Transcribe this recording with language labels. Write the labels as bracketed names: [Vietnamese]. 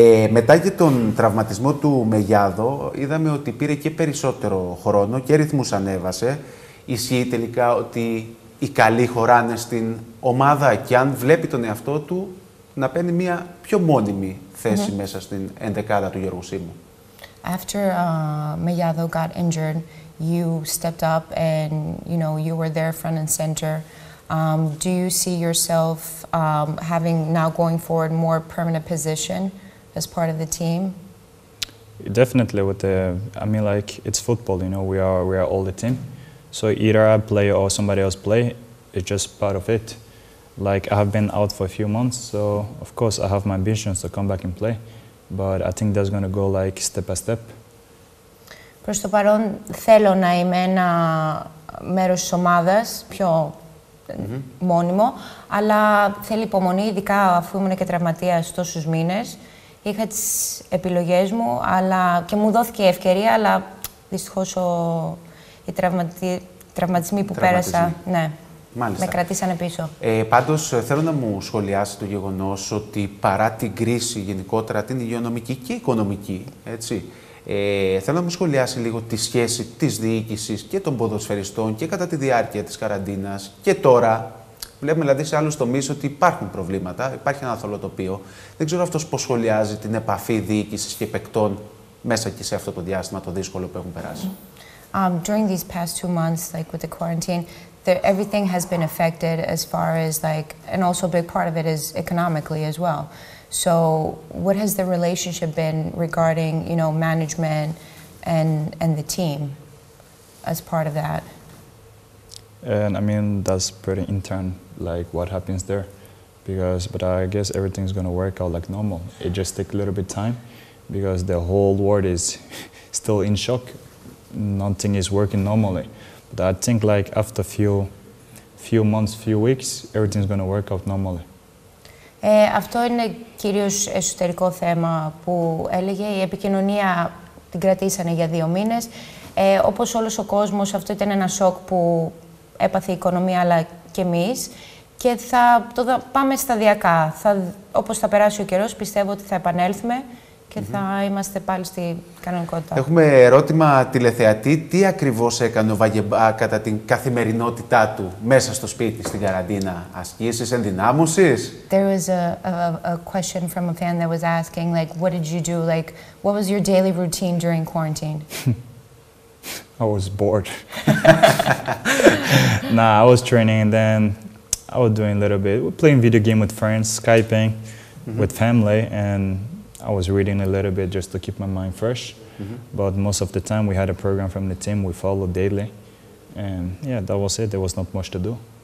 [Greek] Μετά και τον τραυματισμό του Μεγιάδο, είδαμε ότι πήρε και περισσότερο χρόνο και ρυθμούς ανέβασε. Ισχύει τελικά ότι οι καλοί χωράνε στην ομάδα και αν βλέπει τον εαυτό του να παίρνει μια πιο μόνιμη θέση μέσα στην ενδεκάδα του Γιώργου Σίμου. [English] After Mellado got injured, you stepped up and you know you were there front and center. Do you see yourself having now going forward more permanent position as part of the team? Definitely. With the, I mean, like it's football. You know, we are all the team. So either I play or somebody else play, it's just part of it. Like I have been out for a few months, so of course I have my ambitions to come back and play. But I think that's going to go like step by step. [Greek] Προς το παρόν θέλω να είμαι ένα μέρος της ομάδας, πιο μόνιμο, αλλά θέλει υπομονή, ειδικά αφού ήμουν και τραυματίας τόσους μήνες. Είχα τις επιλογές μου αλλά και μου δόθηκε η ευκαιρία, αλλά δυστυχώς οι τραυματισμοί που πέρασα, ναι, μάλιστα, με κρατήσανε πίσω. Πάντως, θέλω να μου σχολιάσει το γεγονός ότι παρά την κρίση γενικότερα, την υγειονομική και οικονομική, έτσι, θέλω να μου σχολιάσει λίγο τη σχέση της διοίκησης και των ποδοσφαιριστών και κατά τη διάρκεια της καραντίνας και τώρα. Βλέπουμε δηλαδή σε άλλους τομείς ότι υπάρχουν προβλήματα, υπάρχει ένα θολοτοπίο. Δεν ξέρω αυτός πώς σχολιάζει την επαφή διοίκησης και παικτών μέσα και σε αυτό το διάστημα, το δύσκολο που έχουν περάσει. [English] During these past 2 months, like with the quarantine, everything has been affected as far as like, and also a big part of it is economically as well. So, what has the relationship been regarding, you know, management and the team as part of that? And I mean, that's pretty intern, like what happens there. Because, but I guess everything's gonna work out like normal. It just takes a little bit time because the whole world is still in shock. Nothing is working normally. But I think like after few months, few weeks, everything's gonna work out normally. [Greek] Αυτό είναι κυρίως εσωτερικό θέμα που έλεγε. Η επικοινωνία την κρατήσανε για 2 μήνες. Όπως όλος ο κόσμος, αυτό ήταν ένα σοκ που έπαθε η οικονομία, αλλά και εμείς. Και θα το πάμε σταδιακά. Όπως θα περάσει ο καιρός, πιστεύω ότι θα επανέλθουμε και θα είμαστε πάλι στη κανονικότητα. Έχουμε ερώτημα τηλεθεατή. Τι ακριβώς έκανε ο Βαγεμπά κατά την καθημερινότητά του μέσα στο σπίτι, στην καραντίνα? Ασκήσεις, ενδυνάμωσης? [English] There was a question from a fan that was asking, like, what did you do? Like, what was your daily routine during quarantine? I was bored. Nah, I was training and then I was doing a little bit. We're playing video game with friends, Skyping with family and I was reading a little bit just to keep my mind fresh, but most of the time we had a program from the team we followed daily, and yeah, that was it. There was not much to do.